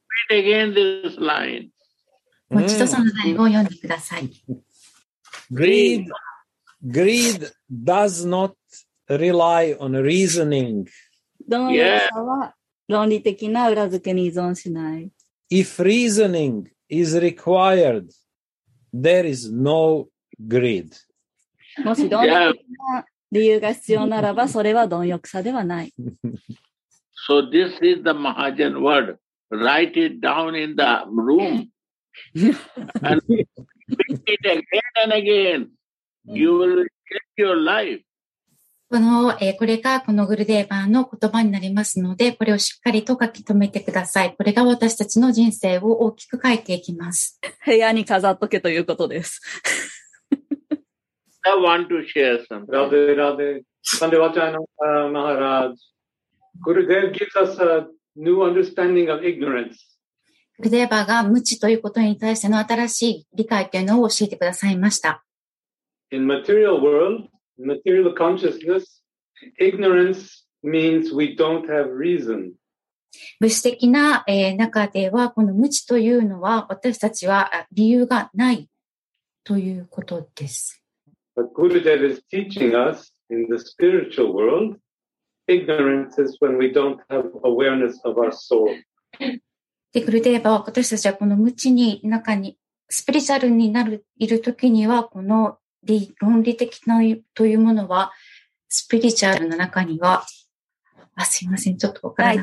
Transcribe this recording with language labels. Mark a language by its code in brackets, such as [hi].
[en] Read again this line. [ja] もう一度その内容を読んでください。 [en] Greed does not rely on reasoning. [ja] 貪欲さは論理的な裏付けに依存しない。 [en] If reasoning is required, there is no greed. [ja] もし貪欲さ理由が必要ならば、それは貪欲さではない。 [en] So this is the Mahajan word. Write it down in the room. And repeat it again and again. You will get your life. [ja] これがこのグルデーバーの言葉になりますので、これをしっかりと書き留めてください。これが私たちの人生を大きく変えていきます。部屋に飾っとけということです。 [en] I want to share some. Radhe, Radhe. Sande Vachana Maharaj. Gurudev gives us a new understanding of ignorance. [ja] Gurudev が無知ということに対しての新しい理解というのを教えてくださいました。 [en] In material world, material consciousness, ignorance means we don't have reason. [ja] 物質的な中では、この無知というのは私たちは理由がないということです。 [en] But Gurudev is teaching us in the spiritual world, ignorance is when we don't have awareness of our soul. [ja] で、グルデーバは私たちはこの無知に中に、スピリチュアルになる、いるときには、この論理的なというものは、スピリチュアルの中には、あ、すいません、ちょっとわからない